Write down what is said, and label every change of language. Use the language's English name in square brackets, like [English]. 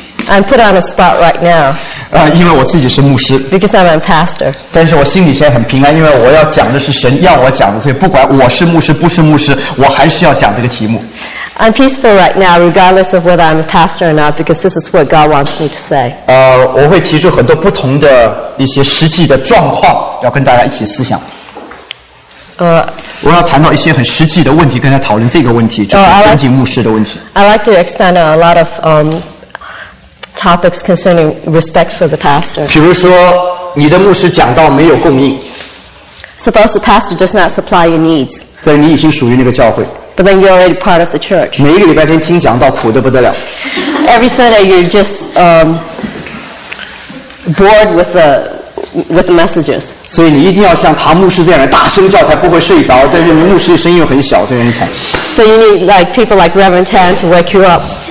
[English] I'm put on a spot right now. [Chinese] 因为我自己是牧师。 [English] Because I'm a pastor. [Chinese] 但是我心里现在很平安，因为我要讲的是神要我讲的，所以不管我是牧师不是牧师，我还是要讲这个题目。 [English] I'm peaceful right now, regardless of whether I'm a pastor or not, because this is what God wants me to say. [Chinese] 我会提出很多不同的一些实际的状况，要跟大家一起思想。我要谈到一些很实际的问题，跟他讨论这个问题，就是尊敬牧师的问题。 [English] I like to expand on a lot of topics concerning respect for the pastor. [Chinese] 比如说，你的牧师讲道没有供应。 [English] Suppose the pastor does not supply your needs. [Chinese] 在你已经属于那个教会。 [English] But then you're already part of the church. [Chinese] 每一个礼拜天听讲道苦得不得了。 [English] Every Sunday you're just bored with the messages. [Chinese] 所以你一定要像唐牧师这样的大声叫才不会睡着，但是牧师声音又很小，所以很惨。 [English] So you need like people like Reverend Tan to wake you up.